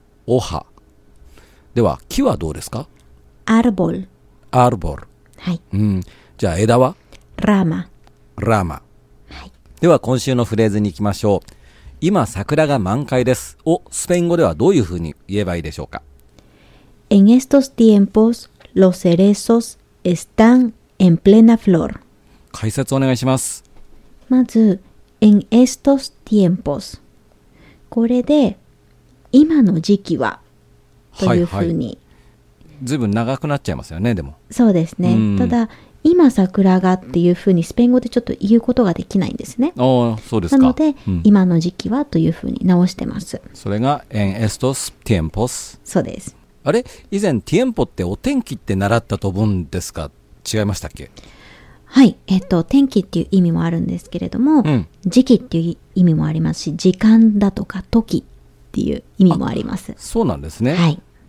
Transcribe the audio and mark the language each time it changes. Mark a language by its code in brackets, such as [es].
[ja] オハ。では木はどうですか？ [es] アルボル。アルボル、 [ja] はい、うん。じゃあ枝は？ [es] ラーマ。ラーマ、 [ja] はい。では今週のフレーズに行きましょう。今桜が満開ですをスペイン語ではどういうふうに言えばいいでしょうか？ [es] En estos tiempos los cerezos están en plena flor。 [ja] 解説お願いします。まず [es] En estos tiempos、 [ja] これで今の時期はというふうに、ずいぶん長くなっちゃいますよね。でもそうですね、ただ今桜がっていうふうにスペイン語でちょっと言うことができないんですね。ああ、そうですか。なので、うん、今の時期はというふうに直してます。それが [es] En estos tiempos。 [ja] そうです。あれ、以前ティエンポってお天気って習ったと思うんですが、違いましたっけ？はい、天気っていう意味もあるんですけれども、うん、時期っていう意味もありますし、時間だとか時っていう意味もあります。そうなんですね、はい。